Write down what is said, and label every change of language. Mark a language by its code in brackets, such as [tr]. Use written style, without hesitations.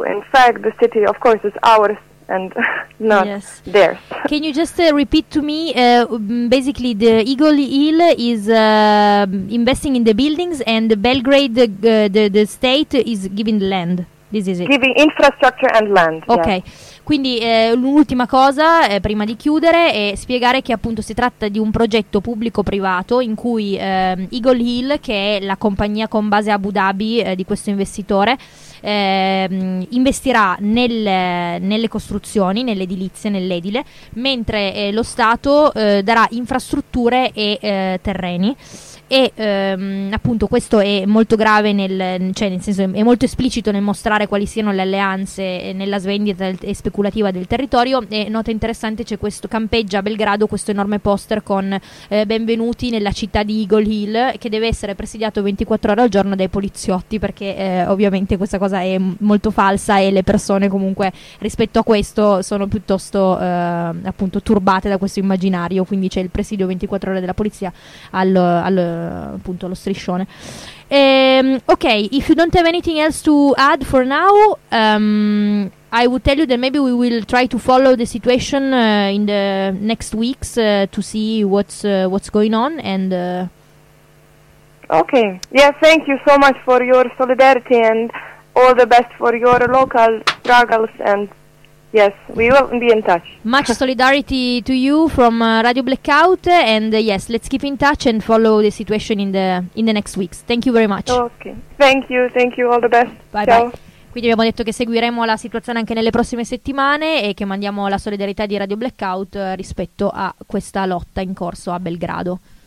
[en] In fact, the city, of course, is ours and not yes. theirs. Can you just repeat to me, basically, the Eagle Hill is investing in the buildings and Belgrade, the state, is giving the land? This is it. Giving infrastructure and land. Ok. Yes. [it] Quindi l'ultima cosa, prima di chiudere, è spiegare che appunto si tratta di un progetto pubblico-privato in cui Eagle Hill, che è la compagnia con base a Abu Dhabi di questo investitore, investirà nelle costruzioni, nell'edilizia, nell'edile, mentre lo Stato darà infrastrutture e terreni. E appunto questo è molto grave, nel senso è molto esplicito nel mostrare quali siano le alleanze nella svendita e speculativa del territorio. E nota interessante, c'è questo campeggia a Belgrado questo enorme poster con benvenuti nella città di Eagle Hill, che deve essere presidiato 24 ore al giorno dai poliziotti, perché ovviamente questa cosa è molto falsa e le persone comunque rispetto a questo sono piuttosto appunto turbate da questo immaginario. Quindi c'è il presidio 24 ore della polizia appunto lo striscione. [en] Ok, if you don't have anything else to add for now, I would tell you that maybe we will try to follow the situation in the next weeks to see what's going on. And okay, yeah, thank you so much for your solidarity and all the best for your local struggles. And yes, we will be in touch. Much solidarity to you from Radio Blackout, and yes, let's keep in touch and follow the situation in the next weeks. Thank you very much. Okay. Thank you. All the best. Bye. [it] Ciao. [en] Bye. [it] Quindi abbiamo detto che seguiremo la situazione anche nelle prossime settimane e che mandiamo la solidarietà di Radio Blackout rispetto a questa lotta in corso a Belgrado.